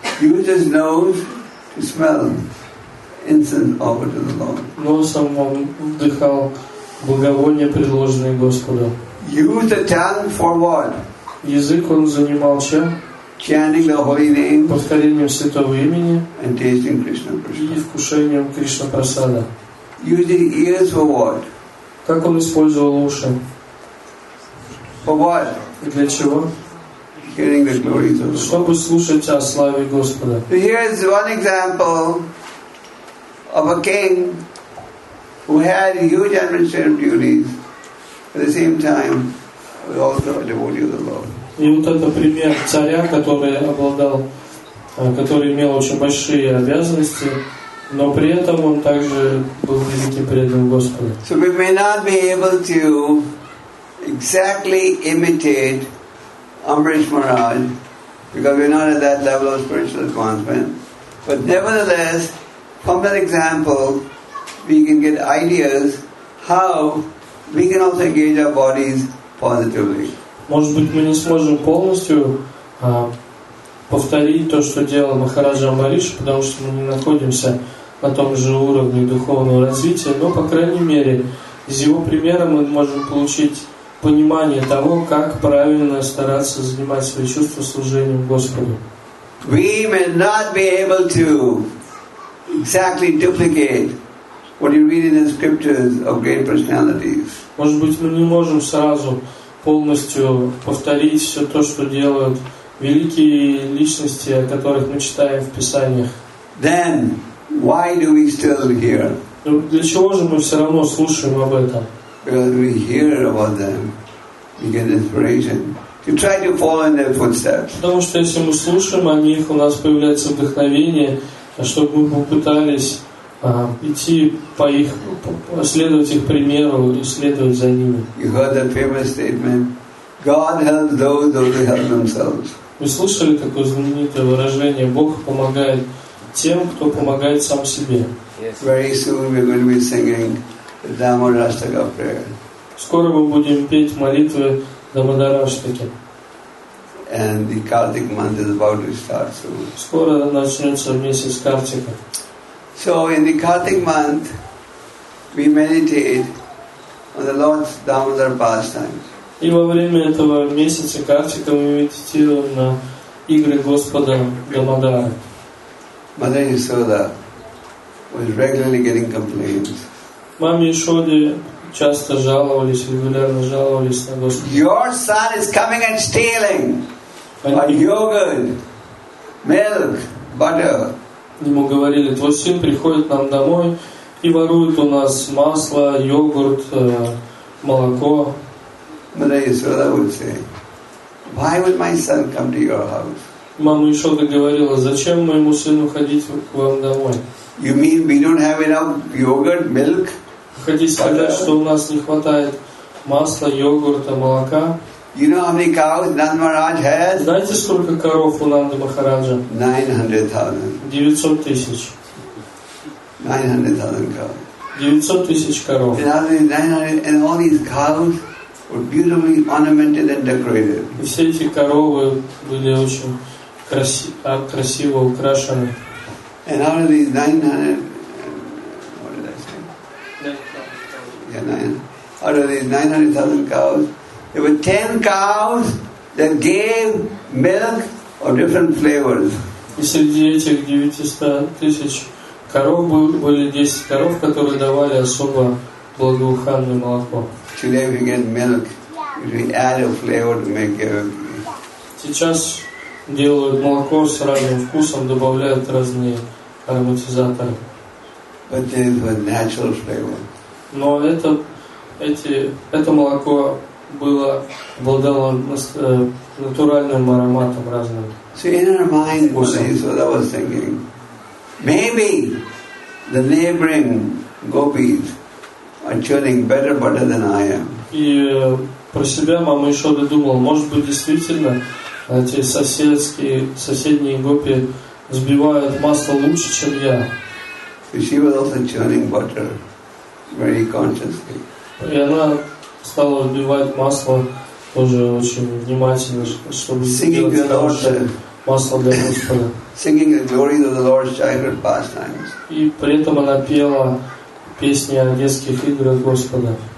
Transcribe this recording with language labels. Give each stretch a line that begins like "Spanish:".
English: Use his nose to smell incense offered to the Lord.
Russian: Носом он вдыхал благовония, предложенные Господу.
English: Use the tongue for what?
Russian: Язык он занимал чем?
English: Chanting the holy name.
Russian: Повторением святого имени.
English: And tasting Krishna
Russian: prasada. И вкушением Кришна прасада.
English: Use the ears for what?
Russian: Как он использовал уши?
English: For what?
Russian: Для чего?
English: Hearing the glory of the Lord.
Russian: Чтобы слушать о славе Господа.
English: Here is one example of a king who had huge administrative duties. At the same time, was also a devotee of the Lord.
Russian: И вот это пример царя, который имел очень большие обязанности, но при этом он также был великим преданным Господу.
English: So we may not be able to exactly imitate Amrish Maharaj because we're not at that level of spiritual advancement. But nevertheless, from that example, we can get ideas how we can also engage our bodies positively.
Russian: Может быть, мы не сможем полностью повторить то, что делал Махараджа Амбариш, потому что мы не находимся на том же уровне духовного развития, но, по крайней мере, из его примера мы можем получить понимание того, как правильно стараться занимать свои чувства служением Господу.
English: We may not be able to exactly duplicate what you read in the scriptures of great personalities.
Russian: Может быть, мы не можем сразу полностью повторить все то, что делают великие личности, о которых мы читаем в Писаниях.
English: Then, why do we still hear?
Russian: Для чего же мы все равно слушаем об этом?
English: Because we hear about them, we get inspiration to try to follow in their footsteps.
Russian: Потому что если мы слушаем о них, у нас появляется вдохновение, чтобы мы попытались идти по их, следовать их примеру и следовать за ними.
English: You heard that famous statement: God helps those who help themselves.
Russian: Вы слышали такое знаменитое выражение: Бог помогает тем, кто помогает сам себе.
English: Yes. Very soon we're going to be singing the Dhammarashtaka prayer.
Russian: Скоро мы будем петь молитвы Дамодараштаки.
English: And the Kartik month is about to start soon.
Russian: Скоро начнется месяц Картика.
English: So in the Kartik month, we meditate on the Lord's Damodar pastimes.
Russian: И во время этого месяца Картика мы медитируем на игры Господа Дамодара.
English: Mother Yasoda was regularly getting complaints.
Russian: Маме Ишоде часто жаловались, регулярно жаловались на Господа.
English: Your son is coming and stealing.
Russian: йогурт,
English: milk, butter.
Russian: Ему говорили, твой сын приходит нам домой и ворует у нас масло, йогурт, молоко.
English: Мама Ишода would say, why would my son come to your house?
Russian: Мама Ишода говорила, зачем моему сыну ходить к вам домой?
English: You mean we don't have enough yogurt, milk?
Russian: Хотите сказать, что у нас не хватает масла, йогурта, молока?
English: You know how many cows Nand Maharaj has?
Russian: Знаете, сколько коров у Нанды Махараджа?
English: 900,000.
Russian: 900,000.
English: 900,000 cows.
Russian: 900,000 коров.
English: And all these cows were beautifully ornamented and decorated.
Russian: И все эти коровы были очень красиво украшены.
English: And out of these 900,000 cows, there were 10 cows that gave milk of different flavors.
Russian: И среди этих 900,000 коров были 10 коров, которые давали особо благоуханное молоко.
English: Today we get milk. We add a flavor to make it.
Russian: Сейчас делают молоко с разным вкусом, добавляют разные ароматизаторы.
English: But this was natural flavor.
Russian: Но это молоко было обладало натуральным ароматом разным.
English: So in our mind, Yashoda was thinking, maybe the neighboring gopis are churning better butter than I am.
Russian: И про себя мама Ишода думала, может быть действительно эти соседние гопи взбивают масло лучше, чем я.
English: So she was also churning butter very consciously.
Russian: И она стала взбивать масло тоже очень внимательно, чтобы сделать масло для Господа.
English: Singing the glories of the Lord's childhood pastimes.
Russian: И при этом она пела песни о детских играх Господа.